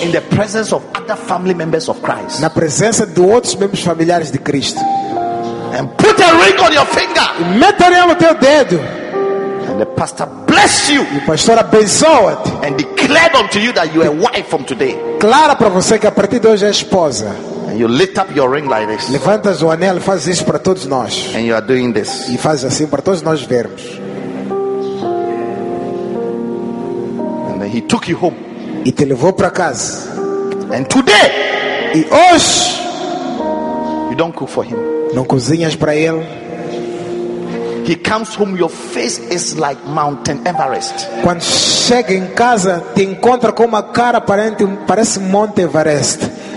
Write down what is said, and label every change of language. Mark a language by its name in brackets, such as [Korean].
[English] In the presence of other family members of Christ. [Portuguese] Na presença de outros membros familiares de Cristo. [English] And put a ring on your finger. [Portuguese] E mete o anel no teu dedo. [English] And the pastor blessed you. [Portuguese] E o pastor abençoou-te. [English] And declared unto you that you are wife from today. [Portuguese] Clara para você que a partir de hoje é esposa. [English] And you lift up your ring like this. [Portuguese] Levantas o anel e faz isso para todos nós. [English] And you are doing this. [Portuguese] E faz assim para todos nós vermos. [English] He took you home. [Portuguese] E te levou para casa. [English] And today, [Portuguese] e hoje, [English] you don't cook for him. [Portuguese] Não cozinhas para ele. [English] He comes home, your face is like Mountain Everest. [Portuguese] Quando chega em casa, te encontra com uma cara aparente, parece Monte Everest.